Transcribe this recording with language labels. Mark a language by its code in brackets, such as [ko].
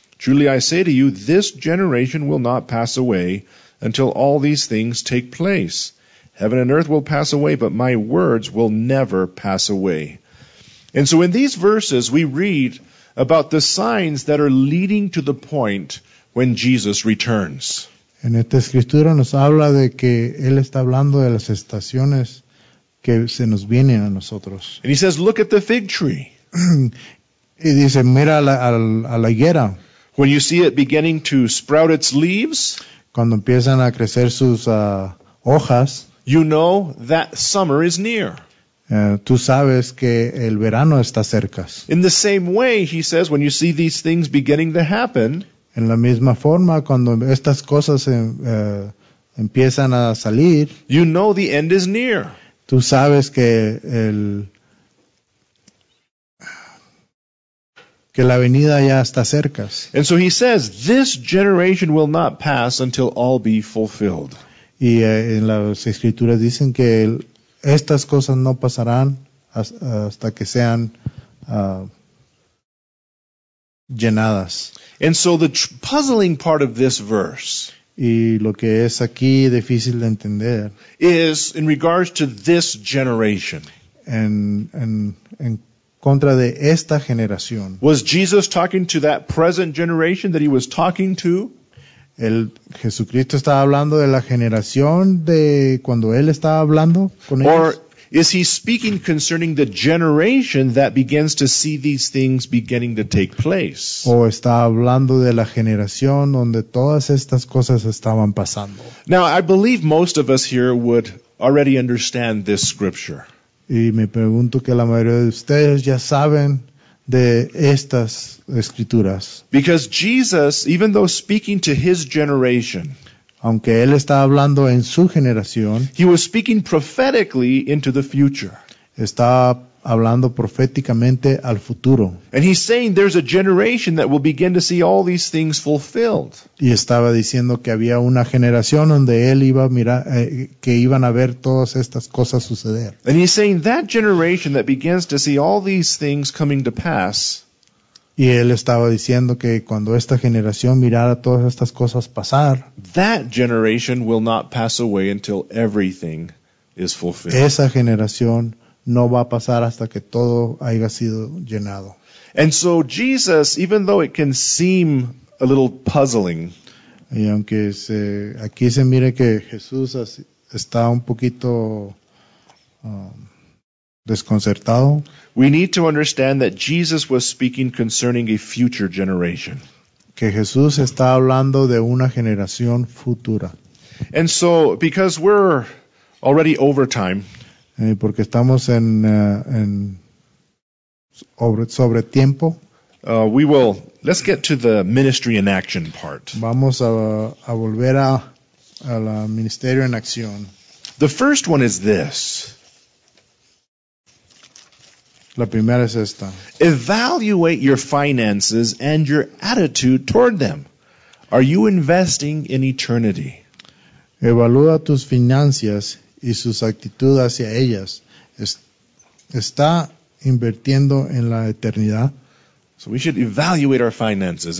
[en] Truly I say to you, this generation will not pass away until all these things take place. Heaven and earth will pass away, but my words will never pass away. And so in these verses, we read about the signs that are leading to the point when Jesus returns. [es] En esta escritura nos habla de que Él está hablando de las estaciones que se nos vienen a nosotros. [en] And he says, look at the fig tree. [es] Y dice, mira a la higuera. [en] When you see it beginning to sprout its leaves, [es] cuando empiezan a crecer sus hojas, [en] you know that summer is near. [es] Tú sabes que el verano está cerca. [en] In the same way, he says, when you see these things beginning to happen, [es] en la misma forma, cuando estas cosas empiezan a salir, [en] you know the end is near. [es] Tú sabes que la venida ya está cerca. [en] And so he says, this generation will not pass until all be fulfilled. [es] Y en las escrituras dicen que estas cosas no pasarán hasta que sean llenadas. [en] And so the puzzling part of this verse, [es] y lo que es aquí difícil de entender, [en] is in regards to this generation. [es] En contra de esta generación. [en] Was Jesus talking to that present generation that he was talking to? [es] El Jesucristo estaba hablando de la generación de cuando él estaba hablando con ellos. [en] Or is he speaking concerning the generation that begins to see these things beginning to take place? [es] O está hablando de la generación donde todas estas cosas estaban pasando. [en] Now, I believe most of us here would already understand this scripture. [es] Y me pregunto que la mayoría de ustedes ya saben de estas escrituras. [en] Because Jesus, even though speaking to his generation, [es] aunque él está hablando en su generación, [en] he was speaking prophetically into the future. [es] Está hablando proféticamente al futuro. [en] And he's saying there's a generation that will begin to see all these things fulfilled. [es] Y estaba diciendo que había una generación donde él iba a mirar, que iban a ver todas estas cosas suceder. [en] And he's saying that generation that begins to see all these things coming to pass. [es] Y él estaba diciendo que cuando esta generación mirara todas estas cosas pasar, [en] that generation will not pass away until everything is fulfilled. [es] Esa generación no va a pasar hasta que todo haya sido llenado. [en] And so Jesus, even though it can seem a little puzzling, [es] y aunque se, aquí se mire que Jesús está un poquito desconcertado, [en] we need to understand that Jesus was speaking concerning a future generation. [es] Que Jesús está hablando de una generación futura. [en] And so, because we're already over time, [es] porque estamos en sobre tiempo, [en] let's get to the ministry in action part. [es] Vamos a volver a la ministerio en acción. [en] The first one is this. [es] La primera es esta. [en] Evaluate your finances and your attitude toward them. Are you investing in eternity? [es] Evalúa tus finanzas y su actitud hacia ellas. ¿Está invirtiendo en la eternidad? [en] So we should evaluate our finances.